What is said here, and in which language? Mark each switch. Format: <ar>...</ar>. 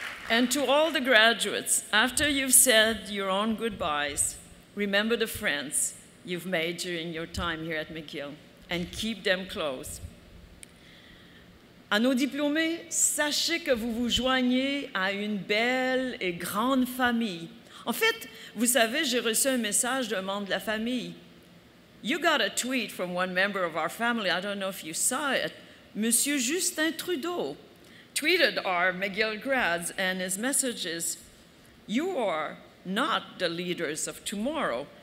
<en>And to all the graduates, after you've said your own goodbyes, remember the friends you've made during your time here at McGill and keep them close.</en> <fr>À nos diplômés, sachez que vous vous joignez à une belle et grande famille. En fait, vous savez, j'ai reçu un message d'un membre de la famille.</fr> <en>You got a tweet from one member of our family. I don't know if you saw it. Monsieur Justin Trudeau tweeted our McGill grads, and his message is, you are not the leaders of tomorrow.</en>